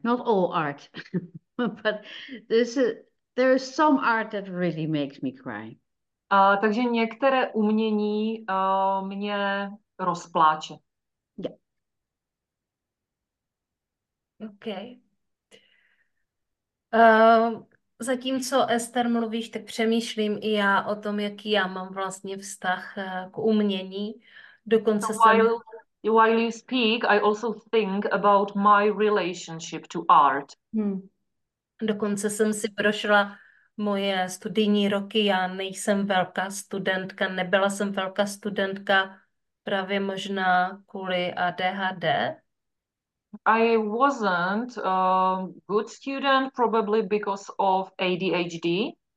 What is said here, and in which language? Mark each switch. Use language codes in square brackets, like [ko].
[en] Not all art, but there is some art that really makes me cry. [cs] Takže některé umění mě rozpláče. [en] Yeah. OK. [cs] Zatímco Ester mluvíš, tak přemýšlím i já o tom, jaký já mám vlastně vztah k umění. Dokonce jsem... [en] While you speak, I also think about my relationship to art. [cs] Dokonce jsem si prošla moje studijní roky. Já nejsem velká studentka, nebyla jsem velká studentka právě možná kvůli ADHD. [en] I wasn't a good student, probably because of ADHD.